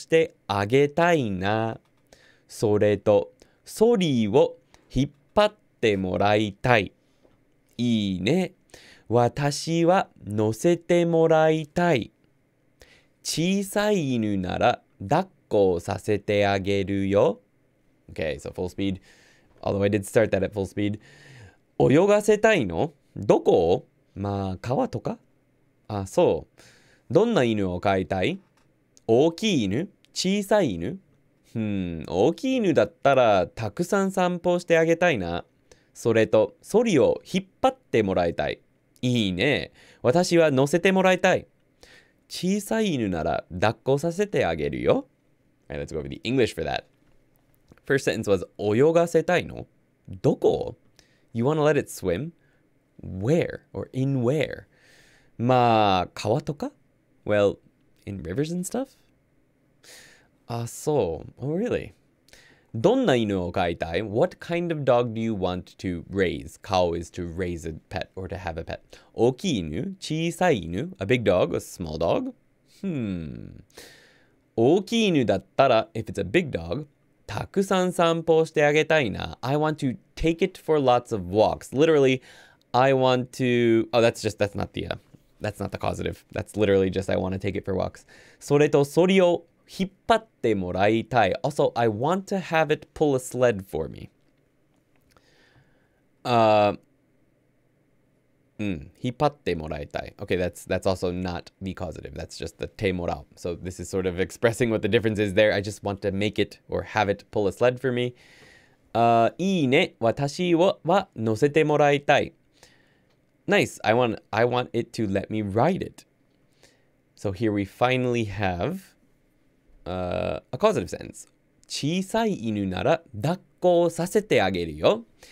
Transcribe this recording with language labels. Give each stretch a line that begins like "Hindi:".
Japanese: 大きい犬だったらたくさん散歩してあげたいな。それとソリを引っ張ってもらいたい。いいね。私は乗せてもらいたい。小さい犬なら抱っこさせてあげるよ。
English: Okay, so full speed. Although I did start that at full speed.
Japanese: 泳がせたいの? どこ? まあ、川とか？あ、そう。どんな犬を飼いたい？大きい犬？小さい犬？大きい犬だったらたくさん散歩してあげたいな。それとソリを引っ張ってもらいたい。いいね。私は乗せてもらいたい。小さい犬なら抱っこさせてあげるよ。
English: Alright, let's go over the English for that. First sentence was
Japanese: 泳がせたいの？どこ？
English: You wanna let it swim? Where? Or in where?
Japanese: まあ、川とか？
English: Well, in rivers and stuff? Ah, so. Oh, really?
Japanese: どんな犬を飼いたい?
English: What kind of dog do you want to raise? 飼う is to raise a pet or to have a pet.
Japanese: 大きい犬、小さい犬、
English: a big dog, a small dog?
Japanese: 大きい犬だったら,
English: if it's a big dog,
Japanese: たくさん散歩してあげたいな。
English: I want to take it for lots of walks. Literally, I want to... Oh, that's just, that's not the,、that's not the causative. That's literally just, I want to take it for walks.
Japanese: それとそれを引っ張ってもらいたい。
English: Also, I want to have it pull a sled for me.
Japanese: 引っ張ってもらいたい。
English: Okay, that's also not the causative. That's just the てもらう. So this is sort of expressing what the difference is there. I just want to make it or have it pull a sled for me.
Japanese: いいね。私は乗せてもらいたい。
English: Nice. I want it to let me ride it. So here we finally have... a causative sentence.
Japanese: 小さい犬なら抱っこさせてあげるよ。